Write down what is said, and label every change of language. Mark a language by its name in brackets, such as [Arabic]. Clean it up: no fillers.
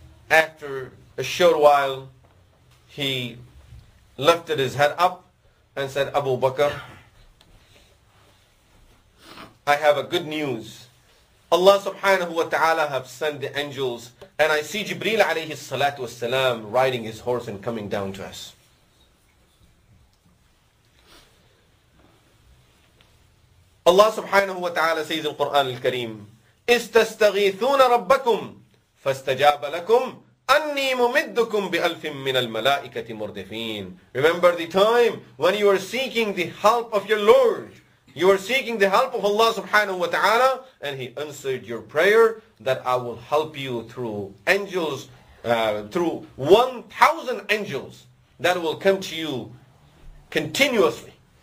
[English] After a short while, he lifted his head up and said, Abu Bakr, I have a good news. Allah subhanahu wa ta'ala have sent the angels, and I see Jibreel alayhi salatu wa salam riding his horse and coming down to us. Allah subhanahu wa ta'ala says in Quran al-Kareem, [Arabic] إِسْتَسْتَغِيثُونَ رَبَّكُمْ فَاسْتَجَابَ لَكُمْ أَنِّي مُمِدُّكُمْ بِأَلْفٍ مِّنَ الْمَلَائِكَةِ مُرْدِفِينَ. [English] Remember the time when you were seeking the help of your Lord. You were seeking the help of Allah subhanahu wa ta'ala, and He answered your prayer that I will help you through angels, through 1,000 angels that will come to you continuously.